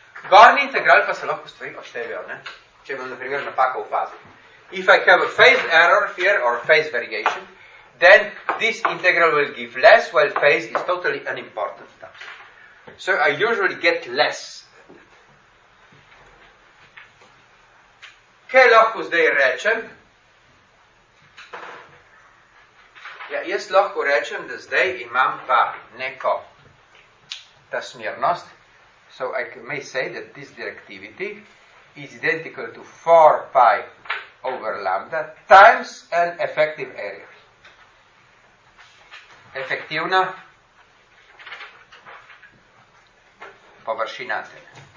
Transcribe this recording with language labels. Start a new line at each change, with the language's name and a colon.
Slovenian: Gorni integral pa se lahko stvari odštevajo, ne? Če imam, na primer, napako v fazi.
English: If I have a phase error here, or phase variation, then this integral will give less, while phase is totally unimportant. So I usually get less.
Slovenian: Kaj lahko zdaj rečem? Ja, jaz lahko rečem, da zdaj imam pa neko ta smernost.
English: So I may say that this directivity is identical to 4 pi over lambda, times an effective area.
Slovenian: Efektivna površina antene.